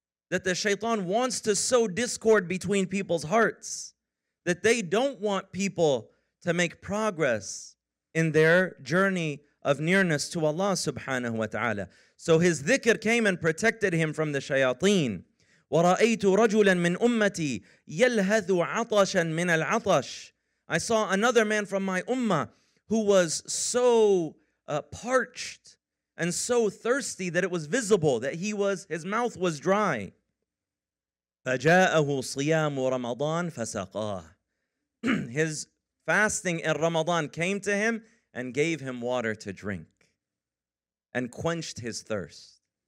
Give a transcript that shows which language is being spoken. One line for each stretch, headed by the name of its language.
English: That the shaitan wants to sow discord between people's hearts. That they don't want people to make progress in their journey of nearness to Allah subhanahu wa ta'ala. So his dhikr came and protected him from the shayateen.
Arabic: وَرَأَيْتُ رَجُلًا مِنْ أُمَّتِي يَلْهَذُ عَطَشًا مِنَ الْعَطَشِ.
English: I saw another man from my ummah who was so parched and so thirsty that it was visible, that his mouth was dry.
Arabic: فَجَاءَهُ صِيَامُ رَمَضَانَ فَسَقَاهُ.
English: His fasting in Ramadan came to him and gave him water to drink and quenched his thirst.